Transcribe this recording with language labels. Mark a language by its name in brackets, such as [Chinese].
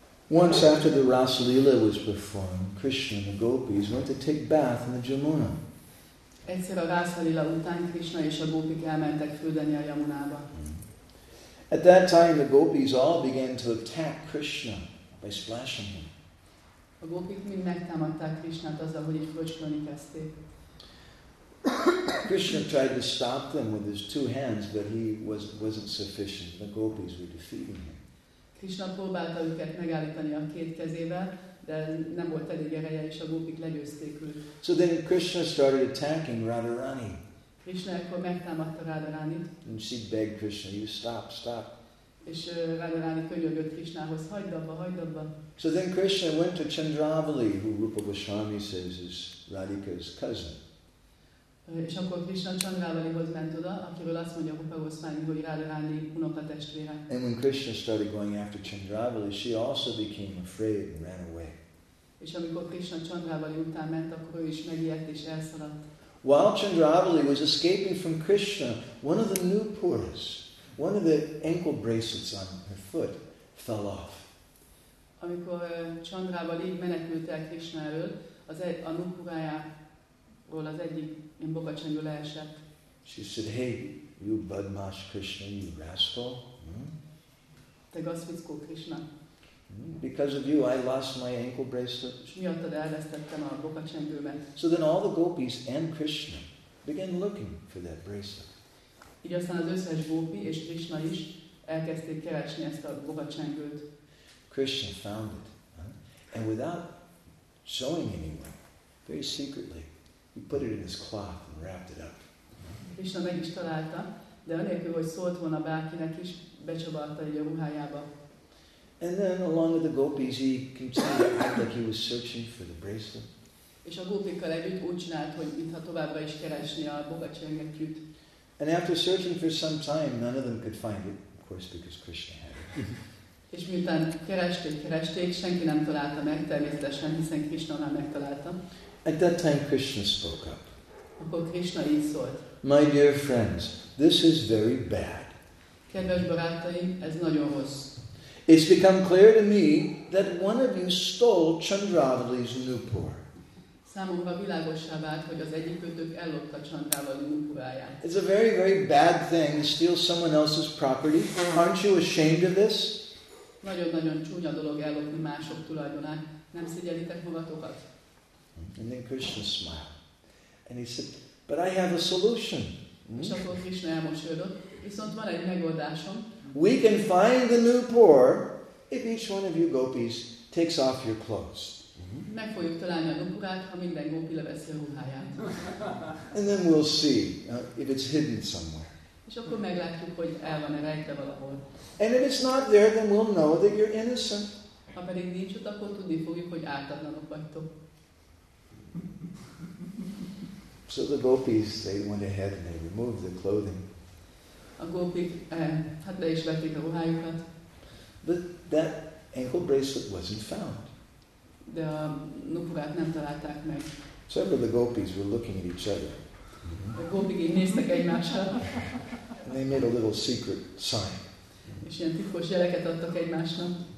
[English] Once after the Rasa Lila was performed, Krishna and the gopis went to take bath in the Jamuna. [Hungarian] Egyszer a Rasa Lila után Krishna és a gopik elmentek fürdeni a Jamunába. [English] At that time, the gopis all began to attack Krishna by splashing him. [Hungarian] A gopik mind megtámadták Krishnát azzal, hogy így fröcskölni kezdték. [English] Krishna tried to stop them with his two hands, but he wasn't sufficient. The gopis were defeating him. [Hungarian] Krishna próbálta őket megállítani a két kezével, de nem volt elég ereje, és a gópik legyőzték őt. [English] So then Krishna started attacking Radharani. [Hungarian] Krishna akkor megtámadta Radharanit. [English] And she begged Krishna, "You stop, stop." [Hungarian] És Radharani könyörgött Krishnához, "Hagyd abba, hagyd abba." [English] So then Krishna went to Chandravali, who Rupa Goswami says is Radhika's cousin. [Hungarian] És akkor Krishna Chandravalihoz ment oda, akiről azt mondja Rupa Goswami, hogy Radharani unokatestvére. [English] And when Krishna started going after Chandravali, she also became afraid and ran away. [Hungarian] És amikor Krishna Chandravali után ment, akkor ő is megijedt és elszaladt. [English] While Chandravali was escaping from Krishna, one of the Nupuras, one of the ankle bracelets on her foot, fell off. [Hungarian] Amikor Chandravali menekült el Krishna elől, a Nupurájáról az egyik bogacsengő leesett. [English] She said, "Hey, you badmash Krishna, you rascal." [Hungarian] Te gazvickó Krishna. [English] Because of you, I lost my ankle bracelet. [Hungarian] És miattad elvesztettem a bogacsengőmet. [English] So then all the gopis and Krishna began looking for that bracelet. [Hungarian] Így aztán az összes gópi és Krishna is elkezdték keresni ezt a bogacsengőt. [English] Krishna found it, and without showing anyone, very secretly, he put it in his cloth and wrapped it up. [Hungarian] Krishna meg is találta, de anélkül, hogy szólt volna bárkinek is, becsavarta egy a ruhájába. [English] And then along with the gopis, he continued to act like he was searching for the bracelet. [Hungarian] És a gópikkal együtt úgy csinált, hogy mintha továbbra is keresni a bogacsengőt. [English] And after searching for some time, none of them could find it, of course, because Krishna had it. [Hungarian] És miután keresték, senki nem találta meg, természetesen, hiszen Krishna már megtalálta. [English] At that time Krishna spoke up. [Hungarian] Akkor Krishna így szólt. [English] My dear friends, this is very bad. [Hungarian] Kedves barátaim, ez nagyon rossz. [English] It's become clear to me that one of you stole Chandravali's Nupur. [Hungarian] Számomra világossá vált, hogy az egyikötök ellopta Chandravali Nupuráját. [English] It's a very, very bad thing to steal someone else's property. Aren't you ashamed of this? [Hungarian] Nagyon-nagyon csúnya dolog ellopni mások tulajdonát. Nem szégyellitek magatokat? [English] And then Krishna smiled. And he said, but I have a solution. [Hungarian] És akkor Krishna elmosődött. Viszont van egy megoldásom. [English] We can find the Nupur if each one of you gopis takes off your clothes. [Hungarian] Meg fogjuk találni a Nupurát, ha minden gópi leveszi a ruháját. [English] And then we'll see if it's hidden somewhere. [Hungarian] És akkor meglátjuk, hogy el van-e rejtve valahol. [English] And if it's not there, then we'll know that you're innocent. [Hungarian] Ha pedig nincs ott, akkor tudni fogjuk, hogy ártatlanok vagytok. [English] So the gopis, they went ahead and they removed the clothing. [Hungarian] A gópik, hát le is vették a ruhájukat. [English] But that ankle bracelet wasn't found. [Hungarian] De a nupurát nem találták meg. [English] Several of the gopis were looking at each other. [Hungarian] A gópik így néztek egymásra. [English] And they made a little secret sign. [Hungarian] És ilyen titkos jeleket adtak egymásnak.